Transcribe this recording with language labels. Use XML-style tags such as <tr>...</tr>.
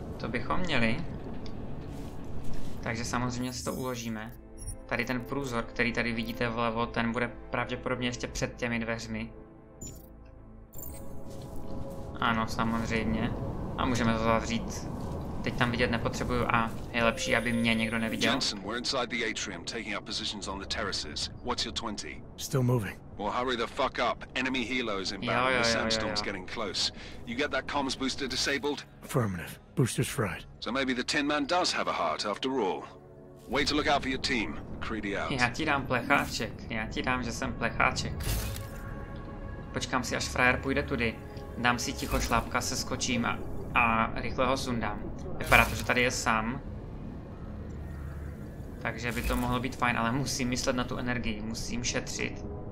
<cs>Bychom měli. Takže samozřejmě si to uložíme. Tady ten průzor, který tady vidíte vlevo, ten bude pravděpodobně ještě před těmi dveřmi. Ano, samozřejmě. A můžeme to zavřít. Teď tam vidět nepotřebuju a je lepší, aby mě někdo neviděl.</cs> <en>Jensen, we're inside the atrium, taking up positions on the terraces. What's your 20? Still moving. Well, hurry the fuck up. Enemy helo is inbound. The sandstorm's getting close. You get that comms booster disabled? Affirmative. Booster's fried. So maybe the tin man does have a heart after all. Wait to look out for your team. McCready out.</en> <cs>Já ti dám plecháček. Já ti dám, že jsem plecháček. Počkám si, až frajer půjde tudy. Dám si ticho šlápka, se skočím a rychle ho sundám. Vypadá to, že tady je sám. Takže by to mohlo být fajn, ale musím myslet na tu energii. Musím šetřit.</cs>